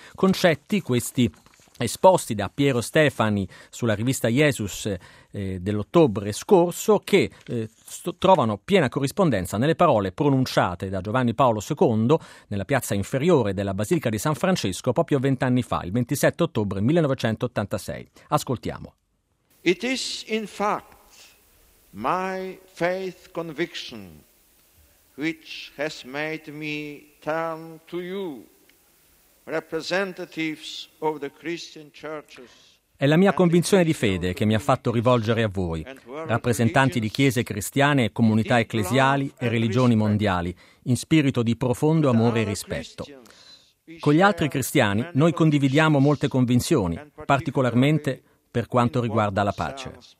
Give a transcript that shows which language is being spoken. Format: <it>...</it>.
<it>Concetti questi esposti da Piero Stefani sulla rivista Jesus dell'ottobre scorso, che trovano piena corrispondenza nelle parole pronunciate da Giovanni Paolo II nella piazza inferiore della Basilica di San Francesco proprio 20 anni fa, il 27 ottobre 1986. Ascoltiamo.</it> <en>It is in fact my faith conviction, which has made me turn to you, representatives of the Christian churches.</en> <it>È la mia convinzione di fede che mi ha fatto rivolgere a voi, rappresentanti di chiese cristiane e comunità ecclesiali e religioni mondiali, in spirito di profondo amore e rispetto. Con gli altri cristiani noi condividiamo molte convinzioni, particolarmente per quanto riguarda la pace.</it>